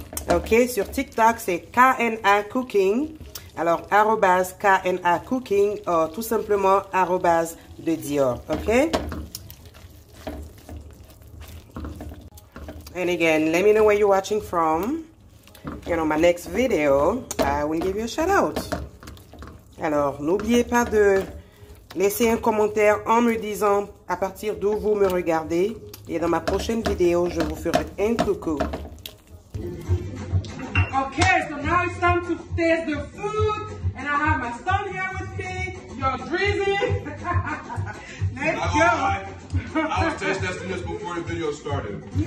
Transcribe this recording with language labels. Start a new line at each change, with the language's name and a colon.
French: Ok, sur TikTok, c'est KNA Cooking. Alors, @KNA Cooking, ou tout simplement, @de Dior. Ok?
English: And again, let me know where you're watching from. And on my next video, I will give you a shout out.
French: Alors, n'oubliez pas de laisser un commentaire en me disant à partir d'où vous me regardez. Et dans ma prochaine vidéo, je vous ferai un coucou.
English: Okay, so now it's time to taste the food. And I have my son here with me. You're drizzling. Let's go. I was taste testing this before the video started.